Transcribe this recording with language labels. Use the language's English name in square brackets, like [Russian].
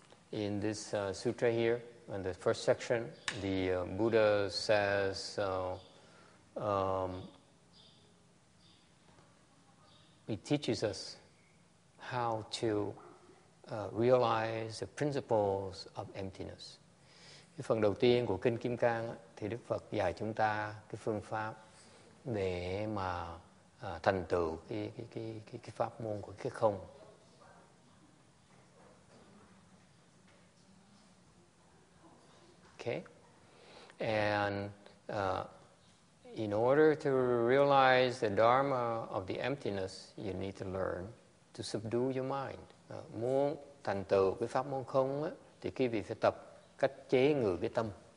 [English] In this sutra here, in the first section, the Buddha says, it teaches us how to realize the principles of emptiness. [Vietnamese] Cái phần đầu tiên của kinh Kim Cang thì Đức Phật dạy chúng ta cái phương pháp để mà thành tựu cái pháp môn của cái không. [English] Okay, and in order to realize the dharma of the emptiness, you need to learn to subdue your mind. [Vietnamese] Muốn thành tựu cái pháp môn không á, thì quý vị phải tập cách chế ngự cái tâm.